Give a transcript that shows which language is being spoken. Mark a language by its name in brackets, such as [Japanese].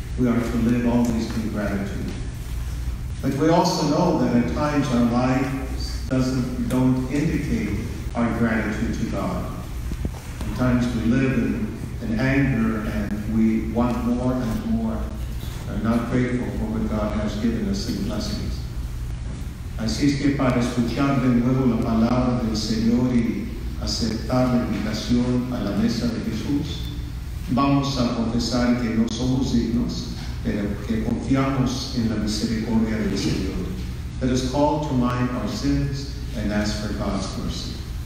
[English] We are to live always in gratitude. But we also know that at times our lives don't indicate our gratitude to God. At times we live in anger and we want more and more, are not grateful for what God has given us in blessings. [Spanish] Así es que para escuchar de nuevo la palabra del Señor y aceptar la invitación a la mesa de Jesús, vamos a confesar que no somos dignos, pero que confiamos en la misericordia del Señor. [English] Let us call to mind our sins and ask for God's mercy.